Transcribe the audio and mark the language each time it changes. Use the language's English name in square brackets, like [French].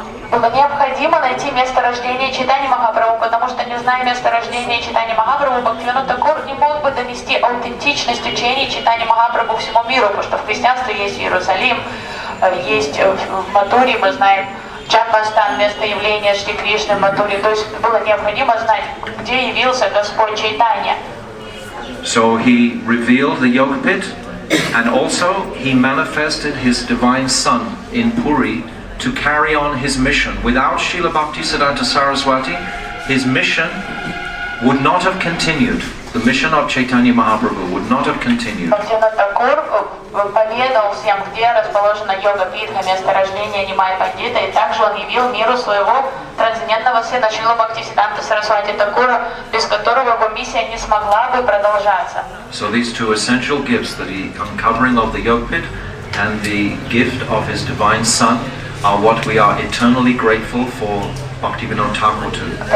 [Russian] Было необходимо найти место рождения читания Махапрабху, потому что не зная место рождения читания Махапрабху, Бхактивинода Такур не мог бы донести аутентичность учения читания Махапрабху всему миру, потому что в христианстве есть Иерусалим, есть в Матуре, мы знаем, Чанмастан, место явления Шри Кришны в Матуре. То есть было необходимо знать, где явился Господь Чайтанья. [English] So he revealed the yoga pit, and also he manifested his divine son in Puri to carry on his mission. Without Srila Bhaktisiddhanta Saraswati, his mission would not have continued. The mission of Chaitanya Mahaprabhu would not have continued. [Russian] Бхактивинода Такур поведал всем, где расположена йога-пидха, место рождения Нимай-пандита, и также он явил миру своего трансцендентного сына Шрилу Бхактисиддханта Сарасвати Такура, без которого его миссия не смогла бы продолжаться. [English] So these two essential gifts, that he uncovering of the yoga-pit and the gift of his divine son, are what we are eternally grateful for Bhaktivinoda Thakur to.